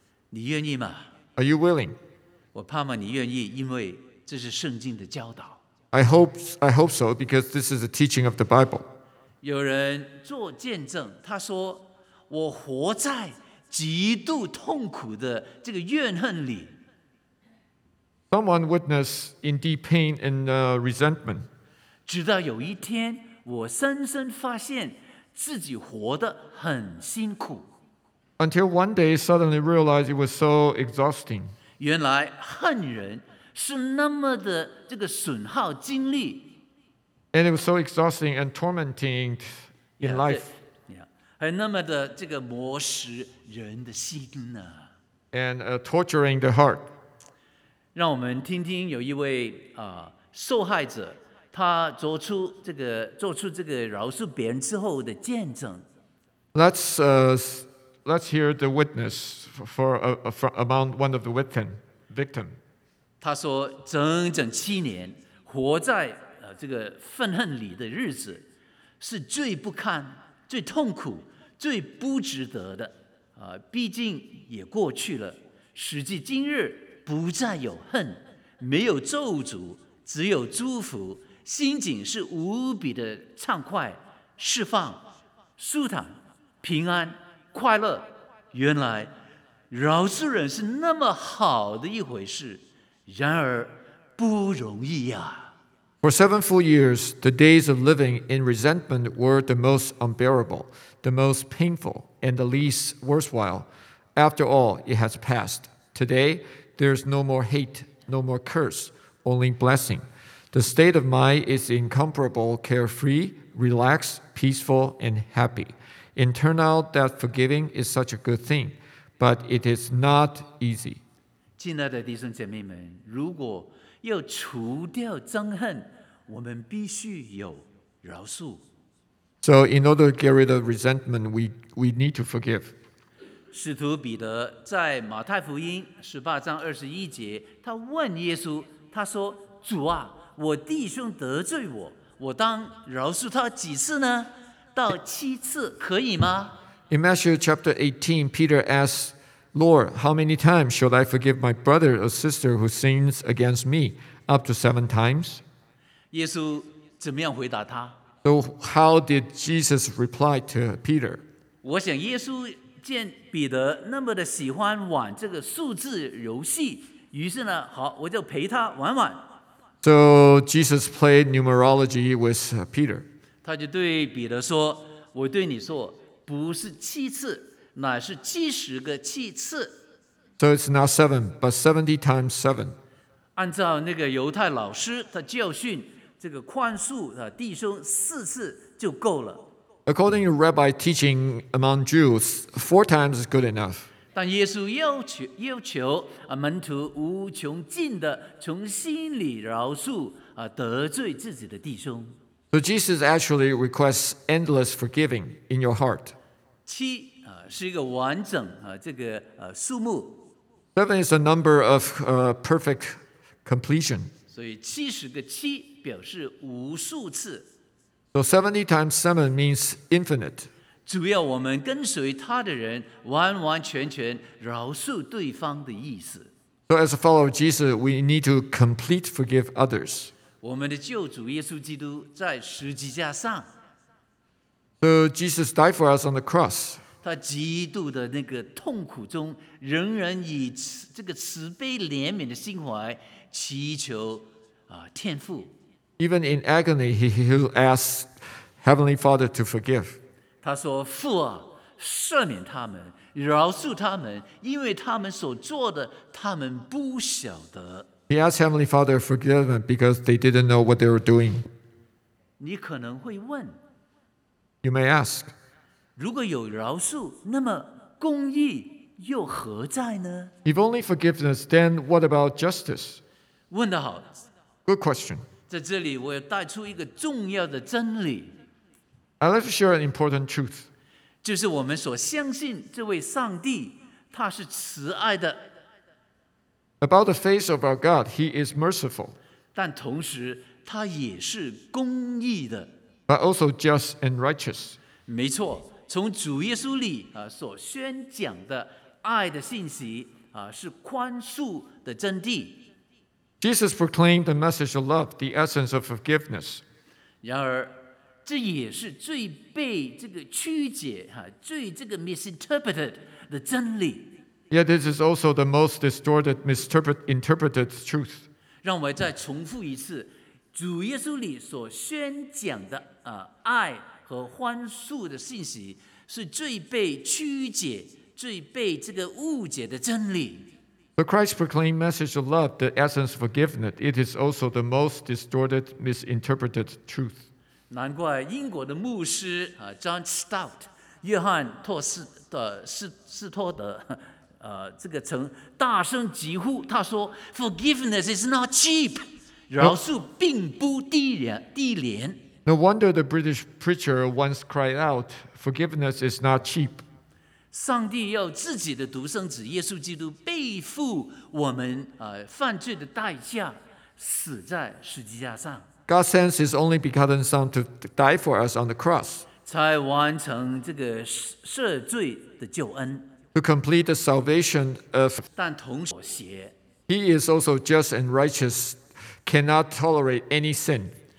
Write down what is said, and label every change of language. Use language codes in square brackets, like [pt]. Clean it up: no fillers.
[zh] 你愿意吗？ [en] Are you willing? [zh] 我盼望你愿意，因为这是圣经的教导。 [en] I hope so, because this is the teaching of the Bible. [zh] 有人做见证，他说我活在极度痛苦的这个怨恨里。 [en] Someone witnessed in deep pain and resentment. [zh] 直到有一天，我深深发现自己活得很辛苦。 [en] Until one day, suddenly realized it was so exhausting. [zh] 原来恨人是那么的这个损耗精力。 [en] And it was so exhausting and tormenting in life. [zh] Yeah, 还那么的这个磨蚀人的心呢。 [en] And torturing the heart. [zh] 让我们听听有一位、受害者，他做出这个饶恕别人之后的见证。 [en] Let's hear the witness for among one of the victim. [zh] 他说，整整七年活在、这个愤恨里的日子，是最不堪、最痛苦、最不值得的、毕竟也过去了，时至今日。不再有恨，没有咒诅，只有祝福，心境是无比的畅快、释放、舒坦、平安、快乐。原来饶恕人是那么好的一回事，然而不容易呀。 [en] For 7 full years, the days of living in resentment were the most unbearable, the most painful, and the least worthwhile. After all, it has passed. Today,There's no more hate, no more curse, only blessing. The state of mind is incomparable, carefree, relaxed, peaceful, and happy. It turned out that forgiving is such a good thing, but it is not easy. [zh] 亲爱的弟兄姐妹们，如果要除掉憎恨，我们必须有饶恕。 [en] So in order to get rid of resentment, we need to forgive. [zh] 使徒彼得在马太福音十八章二十一节，他问耶稣，他说：“主啊，我弟兄得罪我，我当饶恕他几次呢？到七次可以吗？” [en] In Matthew chapter 18, Peter asks, "Lord, how many times should I forgive my brother or sister who sins against me? Up to seven times?" [zh] 耶稣怎么样回答他 [en] ？So how did Jesus reply to Peter? [zh] 我想耶稣。见彼得那么的喜欢玩这个数字游戏，于是呢，好，我就陪他玩玩。 [en] So Jesus played numerology with Peter. [zh] 他就对彼得说：“我对你说，不是七次，乃是七十个七次。” [en] So it's not seven, but 70 times seven. [zh] 按照那个犹太老师的教训，这个宽恕的弟兄四次就够了。 [en] According to rabbi teaching among Jews, four times is good enough. [zh] 但耶稣要求门徒无穷尽的从心里饶恕得罪自己的弟兄。 [en] So Jesus actually requests endless forgiving in your heart. [zh] 七是一个完整这个数目。 [en] Seven is a number of perfect completion. [zh] 所以七十个七表示无数次。 [en] So 70 times 7 means infinite. [zh] 主要我们跟随他的人完完全全饶恕对方的意思。 [en] So as a follower of Jesus, we need to complete forgive others. [zh] 我们的救主耶稣基督在十字架上。 [en] So Jesus died for us on the cross. [zh] 他极度的那个痛苦中仍然以这个慈悲怜悯的心怀祈求天父。 [en] Even in agony, he asks Heavenly Father to forgive. [zh] 他说：“父啊，赦免他们，饶恕他们，因为他们所做的，他们不晓得。 [en] He asked Heavenly Father forgive them because they didn't know what they were doing. [zh] 你可能会问 [en] ，You may ask， [zh] 如果有饶恕，那么公义又何在呢 [en] ？If only forgiveness, then what about justice？ [zh] 问得好 [en] ，Good question。 [zh] 在这里，我要带出一个重要的真理。 [en] I'd like to share an important truth. [zh] 就是我们所相信这位上帝他是慈爱的。 [en] About the face of our God, he is merciful. [zh] 但同时他也是公义的。 [en] But also just and righteous. [zh] 没错，从主耶稣里所宣讲的爱的信息是宽恕的真谛。 [en] Jesus proclaimed the message of love, the essence of forgiveness. [zh] 然而这也是最被这个曲解最这个 misinterpreted 的真理。 [en] Yet this is also the most distorted, misinterpreted truth. [zh] 让我再重复一次，主耶稣里所宣讲的爱和宽恕的信息是最被曲解、最被这个误解的真理。 [en] The Christ proclaimed message of love, the essence of forgiveness, it is also the most distorted, misinterpreted truth. [zh] 难怪英国的牧师 John Stott 约翰托斯的斯托德这个曾大声疾呼，他说 [en] Forgiveness is not cheap， [zh] 饶恕并不低廉。 [en] No wonder the British preacher once cried out Forgiveness is not cheap。 [zh] 上帝要自己的独生子耶稣基督背负我们犯罪的代价，死在十字架上。 [en] God sends His only begotten Son to die for us on the cross [zh] 才完成这个赦罪的救恩。 [en] To complete the salvation of [zh] 但同时妥协。 [en] He is also just and righteous, cannot tolerate any sin.